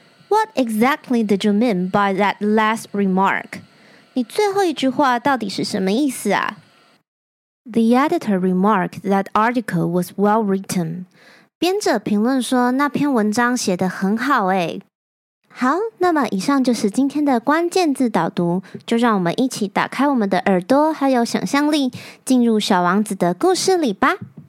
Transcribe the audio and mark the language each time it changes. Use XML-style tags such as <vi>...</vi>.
<en>What exactly did you mean by that last remark?</en> <zh>你最后一句话到底是什么意思啊？</zh> <en>The editor remarked that article was well written.</en> <zh>编者评论说那篇文章写得很好诶。好，那么以上就是今天的关键字导读，就让我们一起打开我们的耳朵还有想象力，进入小王子的故事里吧。</zh>